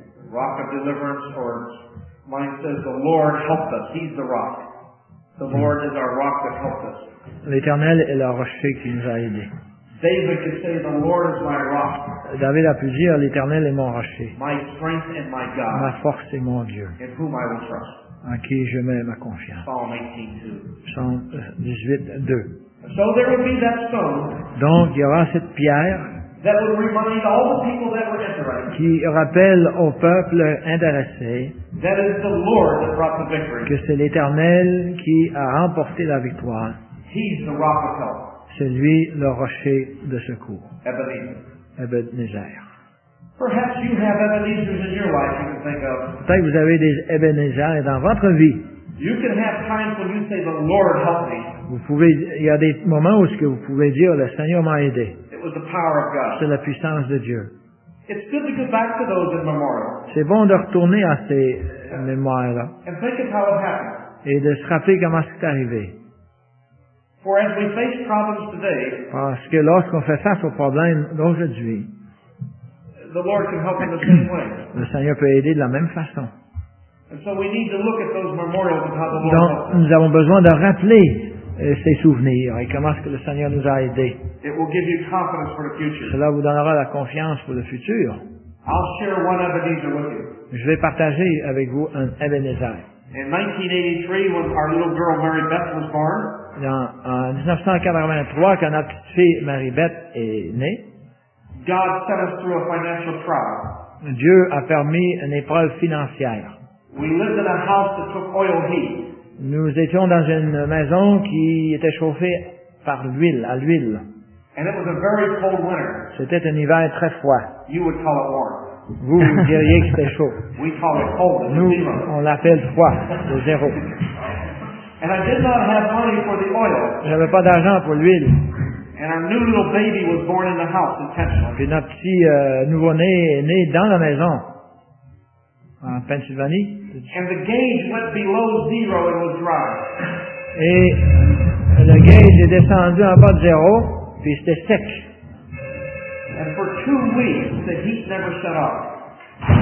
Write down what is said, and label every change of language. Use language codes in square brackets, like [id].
[en] Rock of deliverance, or mine says, the Lord helped us. He's the rock. The Lord is our rock that helped us. [fr] L'Éternel est le rocher qui nous a aidés. [en] David could say, the Lord is my rock. [fr] David a pu dire, l'Éternel est mon rocher. [en] My strength and my God. [fr] Ma force et mon Dieu. [en] In whom I will trust. [fr] En qui je mets ma confiance. [en] Psalm 18:2. Psalm 18:2. So there would be that stone. [fr] Donc il y aura cette pierre [en] that would remind all the people that were interested. [fr] Qui rappelle au peuple intéressé [en] that is the Lord that brought the victory. [fr] Que c'est l'Éternel qui a remporté la victoire. [en] He's the rock of help. [fr] C'est lui le rocher de secours. [en] Ebenezer. Ebenezer. Perhaps you have Ebenezers in your life you can think of. [fr] Peut-être que vous avez des Ebenezers dans votre vie. [en] You can have times when you say, "The Lord help me." [fr] Vous pouvez, il y a des moments où ce que vous pouvez dire, le Seigneur m'a aidé. [en] It was the power of God. [fr] C'est la puissance de Dieu. [en] It's good to go back to those in memorial. [fr] C'est bon de retourner à ces mémoires-là. [en] And think of how it happened. [fr] Et de se rappeler comment c'est arrivé. [en] For as we face problems today. [fr] Parce que lorsqu'on fait face aux problèmes d'aujourd'hui, [en] the Lord can help in the same way. [fr] Le Seigneur peut aider de la même façon. [en] And so we need to look at those memorials and how the Lord helped. [fr] Donc, nous avons besoin de rappeler ses souvenirs et comment est-ce que le Seigneur nous a aidés. [en] It will give you confidence for the future. [fr] Cela vous donnera la confiance pour le futur. [en] I'll share one Ebenezer with you. [fr] Je vais partager avec vous un Ebenezer. [en] In 1983, when our little girl Mary Beth was born. [fr] En 1983, quand notre petite fille Mary Beth est née. [en] God set us through a financial trial. [fr] Dieu a permis une épreuve financière. [en] We lived in a house that took oil heat. [fr] Nous étions dans une maison qui était chauffée par l'huile, à l'huile. [en] And it was a very cold winter. [fr] C'était un hiver très froid. [en] You would call it warm. [fr] Vous diriez que c'était chaud. [en] We call it cold. [fr] Nous, on l'appelle froid, de zéro. [en] And I did not have money for the oil. [fr] J'avais pas d'argent pour l'huile. [en] And our new little baby was born in the house intentionally. [fr] Puis notre petit nouveau-né est né dans la maison. En Pennsylvanie. [en] And the gauge went below zero and was dry. [fr] Et le gauge est descendu en bas de zéro, puis c'était sec. [en] And for 2 weeks, the heat never shut off.